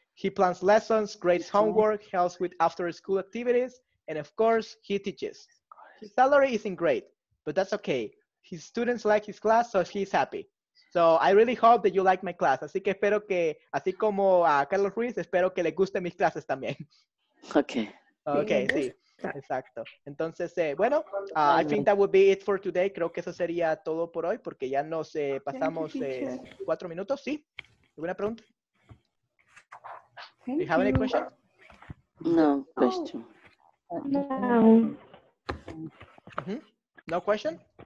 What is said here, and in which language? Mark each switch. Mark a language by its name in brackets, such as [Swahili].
[English] He plans lessons, grades homework, helps with after school activities, and of course, he teaches. His salary isn't great, but that's okay. His students like his class, so he's happy. So I really hope that you like my class. [Spanish] Así que espero que, así como a Carlos Ruiz, espero que le guste mis clases también. Okay. Okay, sí, exacto. Entonces, bueno, [English] I think that would be it for today. [Spanish] Creo que eso sería todo por hoy, porque ya nos pasamos 4 minutos. Sí, ¿alguna pregunta? [English] Do you have any question? No, question. No. Mm-hmm. No question?